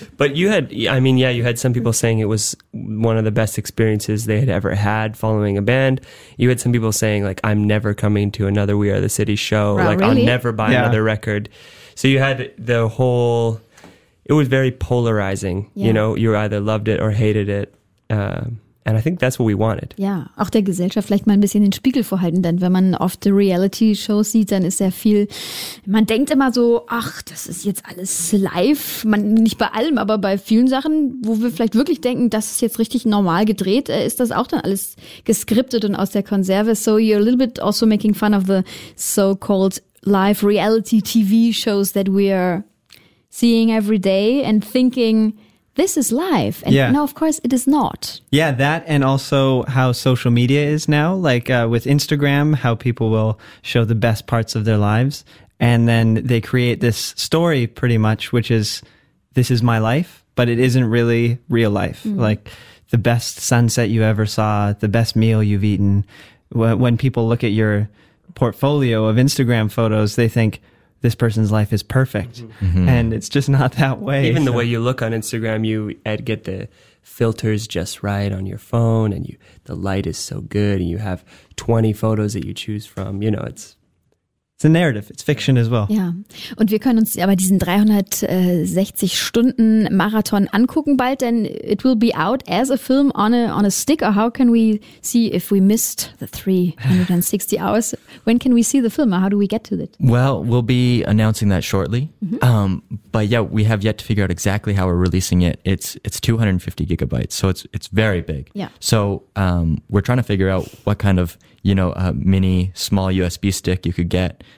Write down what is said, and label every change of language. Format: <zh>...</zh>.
<en>But you had, I mean, yeah, you had some people saying it was one of the best experiences they had ever had following a band. You had some people saying, like, I'm never coming to another We Are the City show. Oh, like, really? I'll never buy yeah. another record. So you had the whole, it was very polarizing. Yeah. You know, you either loved it or hated it. And I think that's what we wanted.</en> <de>Ja, auch der Gesellschaft vielleicht mal ein bisschen den Spiegel vorhalten, denn wenn man oft die Reality-Shows sieht, dann ist sehr viel, man denkt immer so, ach, das ist jetzt alles live, man, nicht bei allem, aber bei vielen Sachen, wo wir vielleicht wirklich denken, das ist jetzt richtig normal gedreht, ist das auch dann alles geskriptet und aus der Konserve.</de> <en>So you're a little bit also making fun of the so-called live reality TV shows that we are seeing every day and thinking, this is live. And yeah. No, of course, it is not. Yeah, that and also how social media is now, like with Instagram, how people will show the best parts of their lives. And then they create this story pretty much, which is, this is my life, but it isn't really real life. Mm. Like the best sunset you ever saw, the best meal you've eaten. When people look at your portfolio of Instagram photos, they think, this person's life is perfect. Mm-hmm. And it's just not that way. Even so. The way you look on Instagram, you get the filters just right on your phone and the light is so good and you have 20 photos that you choose from. You know, it's a narrative. It's fiction as well.</en> <de>Ja. Und wir können uns aber diesen 360 Stunden Marathon angucken bald, denn</de> <en>it will be out as a film on a stick. Or how can we see if we missed the 360 hours? When can we see the film? Or how do we get to it? Well, we'll be announcing that shortly. Mm-hmm. But yeah, we have yet to figure out exactly how we're releasing it. It's 250 gigabytes, so it's very big. Yeah. So we're trying to figure out what kind of, you know, a mini small USB stick you could get.</en>